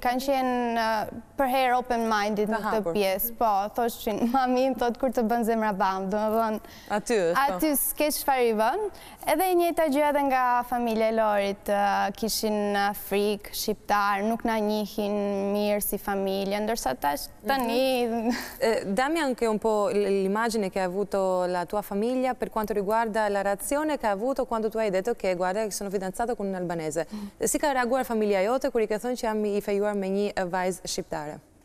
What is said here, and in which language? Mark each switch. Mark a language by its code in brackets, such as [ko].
[sq] Kanë qenë për herë open minded në këtë pjesë. Po, thoshin, mamin, thot, kur të bën zemra bam, do më thënë. Aty, s'ke që farë I bën. Edhe I njëta gjë edhe nga familje Lorit, kishin frikë, shqiptarë, nuk na njihin mirë si familje. Ndërsa tani... [it] Dami anche un po' l'immagine che ha avuto la tua famiglia per quanto riguarda la reazione che ha avuto quando tu hai detto che guarda che sono fidanzato con un albanese. [sq] Si ka reaguar familja jote kur I ka thonë që jam I fejuar me një vajzë shqiptare?